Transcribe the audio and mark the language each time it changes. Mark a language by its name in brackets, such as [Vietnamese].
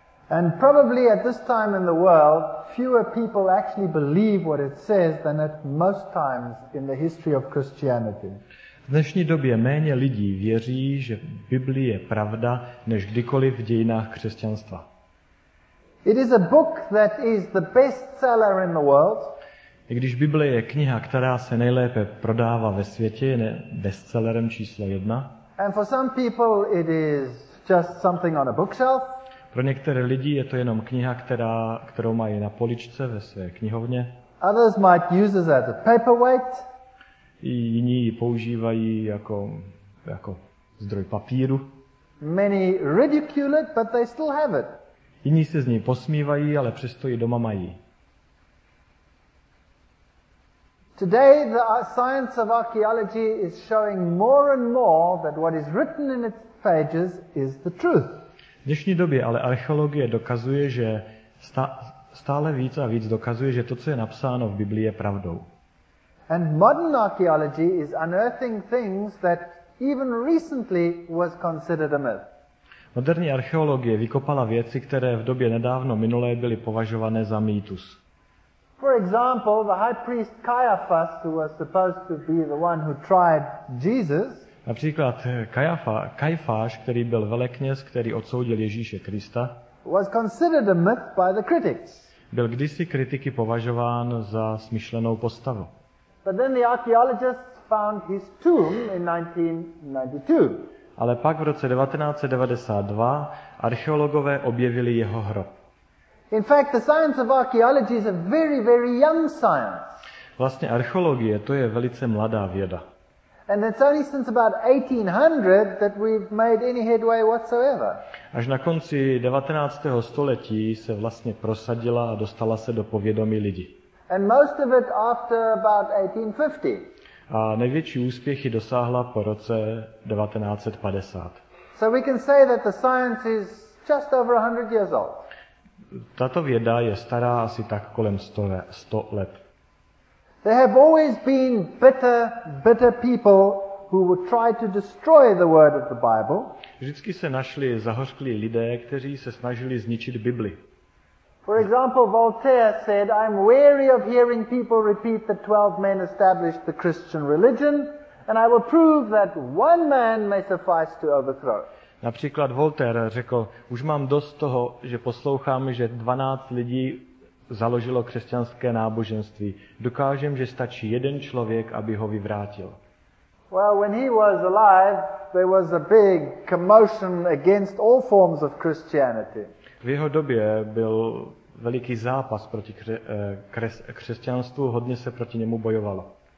[English] And probably at this time in the world, fewer people actually believe what it says than at most times in the history of Christianity. [Czech] V dnešní době méně lidí věří, že Biblia je pravda, než kdykoliv v dějinách křesťanstva. [English] It is a book that is the best seller in the world. [Czech] I když Bible je kniha, která se nejlépe prodává ve světě, je bestsellerem číslo jedna. [English] And for some people it is just something on a bookshelf. [Czech] Pro některé lidi je to jenom kniha, kterou mají na poličce ve své knihovně. [English] Others might use it as a paperweight. [Czech] Jiní ji používají jako zdroj papíru. [English] Many ridicule it, but they still have it. [Czech] Jiní se z ní posmívají, ale přesto ji doma mají. [English] Today the science of archaeology is showing more and more that what is written in its pages is the truth. [Czech] V dnešní době ale archeologie dokazuje, že stále víc a víc dokazuje, že to, co je napsáno v Biblii, je pravdou. [English] And modern archaeology is unearthing things that even recently was considered a myth. [Czech] Moderní archeologie vykopala věci, které v době nedávno minulé byly považované za mýtus. [English] For example, the high priest Caiaphas, who was supposed to be the one who tried Jesus. [Czech] Například Kajfáš, který byl velekněz, který odsoudil Ježíše Krista, [English] was considered a myth by the critics. [Czech] Byl kdysi kritiky považován za smyšlenou postavu. [English] But then the archaeologists found his tomb in 1992. [Czech] Ale pak v roce 1992 archeologové objevili jeho hrob. [English] In fact, the science of archaeology is a very, very young science. [Czech] Vlastně archeologie, to je velice mladá věda. [English] And it's only since about 1800 that we've made any headway whatsoever. [Czech] Až na konci 19. století se vlastně prosadila a dostala se do povědomí lidí. [English] And most of it after about 1850. [Czech] A největší úspěchy dosáhla po roce 1950. [English] So we can say that the science is just over 100 years old. [Czech] Tato věda je stará asi tak kolem 100 let. [English] There have always been bitter people who would try to destroy the word of the Bible. [Czech] Vždycky se našli zahořklí lidé, kteří se snažili zničit Bibli. [English] For example, Voltaire said, "I'm weary of hearing people repeat that 12 men established the Christian religion, and I will prove that one man may suffice to overthrow." [Czech] Například Voltaire řekl: "Už mám dost toho, že poslouchám, že 12 lidí založilo křesťanské náboženství. Dokážem, že stačí jeden člověk, aby ho vyvrátil." [English] Well, when he was alive, there was a big commotion against all forms of Christianity. [Czech] V jeho době byl veliký zápas proti křesťanstvu, hodně se proti němu bojovalo.